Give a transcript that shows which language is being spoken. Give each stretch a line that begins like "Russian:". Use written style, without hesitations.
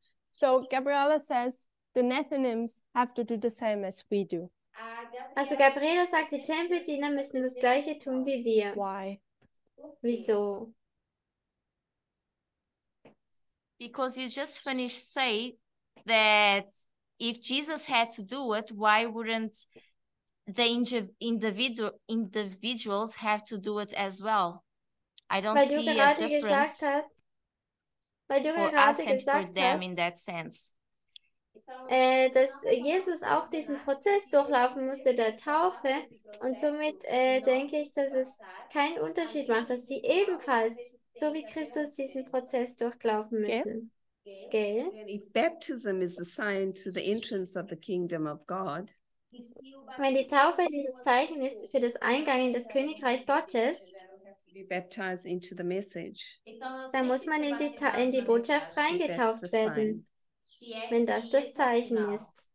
English: So, Gabriela says, the Nethinims have to do the same as we do.
German: Also Gabriela sagt, die Tempeldiener müssen das gleiche tun wie wir.
English: Why?
German: Wieso?
English: Because you just finished saying that if Jesus had to do it, why wouldn't the individuals have to do it as well. I don't see a difference.
German: Weil du gerade gesagt hast, dass Jesus auch diesen Prozess durchlaufen musste, der Taufe, und somit denke ich, dass es keinen Unterschied macht, dass sie ebenfalls, so wie Christus, diesen Prozess durchlaufen müssen. Gell?
English: If baptism is a sign to the entrance of the kingdom of God,
German: wenn die Taufe dieses Zeichen ist für das Eingang in das Königreich Gottes,
English: baptized into the message.
German: Dann muss man in die Botschaft reingetauft werden, wenn das das Zeichen ist.